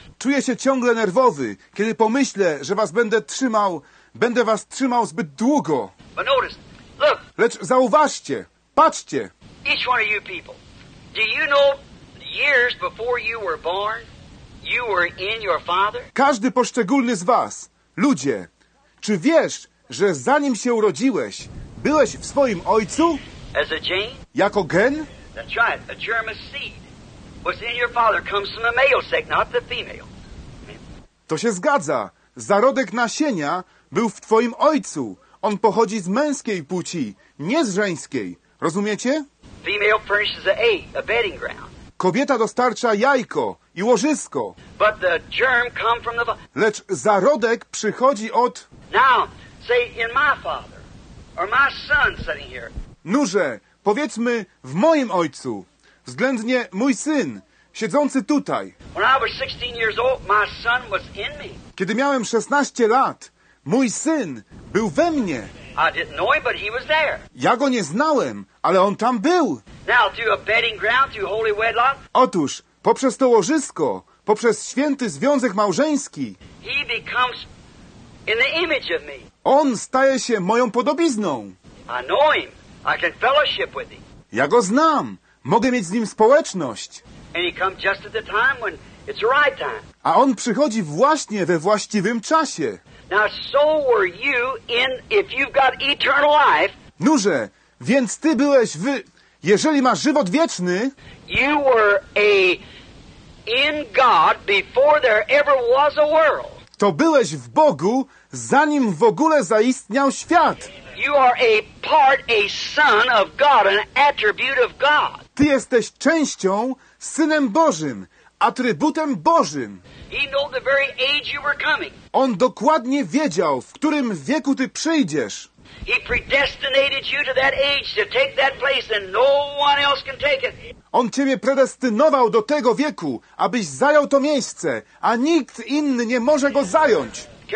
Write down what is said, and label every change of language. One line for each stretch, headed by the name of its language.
Polish: Czuję się ciągle nerwowy, kiedy pomyślę, że was będę was trzymał zbyt długo.
English: But notice, look.
Polish: Lecz zauważcie, patrzcie.
English: Each one of you people, do you know years before you were born, you were in your father?
Polish: Każdy poszczególny z was, ludzie, czy wiesz, że zanim się urodziłeś, byłeś w swoim ojcu?
English: As a gene?
Polish: Jako gen?
English: That's right, a germ of seed was in your father, comes from the male sex, not the female.
Polish: To się zgadza. Zarodek nasienia był w twoim ojcu. On pochodzi z męskiej płci, nie z żeńskiej. Rozumiecie?
English: Female furnishes an egg, a bedding ground.
Polish: Kobieta dostarcza jajko i łożysko.
English: But the germ come from the...
Polish: Lecz zarodek przychodzi od...
English: Now, say in my father, or my son sitting here.
Polish: Nurze, powiedzmy w moim ojcu, względnie mój syn, siedzący tutaj.
English: When I was 16 years old, my son was in me.
Polish: Kiedy miałem 16 lat, mój syn był we mnie.
English: I didn't know him, but he was there.
Polish: Ja go nie znałem, ale on tam był.
English: Now, through a bedding ground, through holy wedlock,
Polish: otóż, poprzez to łożysko, poprzez święty związek małżeński,
English: he becomes in the image of me.
Polish: On staje się moją podobizną.
English: I know him. I can fellowship with him.
Polish: Ja go znam. Mogę mieć z nim społeczność.
English: And he comes just at the time when it's the right time.
Polish: A on przychodzi właśnie we właściwym czasie.
English: Now, so were you in, if you've got eternal life.
Polish: Nurze, więc ty byłeś w... Jeżeli masz żywot wieczny...
English: You were a... in God before there ever was a world.
Polish: To byłeś w Bogu, zanim w ogóle zaistniał świat.
English: You are a part, a son of God, an attribute of God.
Polish: Ty jesteś częścią, synem Bożym, atrybutem Bożym.
English: He knew the very age you were coming.
Polish: On dokładnie wiedział, w którym wieku ty przyjdziesz.
English: He predestinated you to that age to take that place and no one else can take it.
Polish: On ciebie predestynował do tego wieku, abyś zajął to miejsce, a nikt inny nie może go zająć.